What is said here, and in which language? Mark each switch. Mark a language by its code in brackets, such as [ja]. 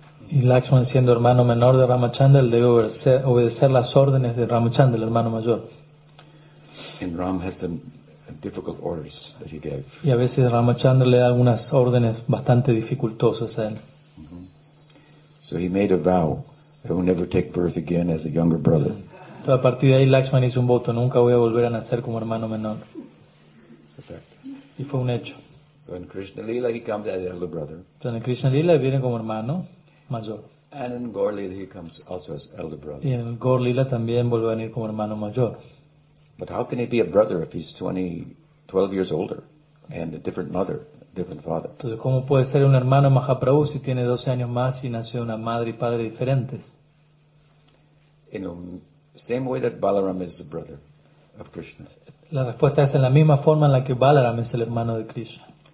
[es] Y Lakshman siendo hermano menor de Ramachandra, él debe obedecer las órdenes de Ramachandra, el hermano mayor. [en] And Ram had some difficult orders that he gave. [es] Y a veces Ramachandra le da algunas órdenes bastante dificultosas a él. [en] So he made a vow that I will never take birth again as a younger brother. [es] A partir de ahí Lakshman hizo un voto, nunca voy a volver a nacer como hermano menor. Y fue un hecho. [en] So in Krishna Lila he comes as elder brother. [es] Entonces en Krishna Lila viene como hermano mayor. [en] And in Gaur Lila he comes also as elder brother. [es] Y en Gaur Lila también vuelve a venir como hermano mayor. [en] But how can he be a brother if he's 12 years older and a different mother, different father? [es] Entonces cómo puede ser un hermano Mahaprabhu si tiene 12 años más y nació una madre y padre diferentes? [en] In the same way that Balaram is the brother of Krishna. [es] La respuesta es en la misma forma en la que Balaram es el hermano de Krishna.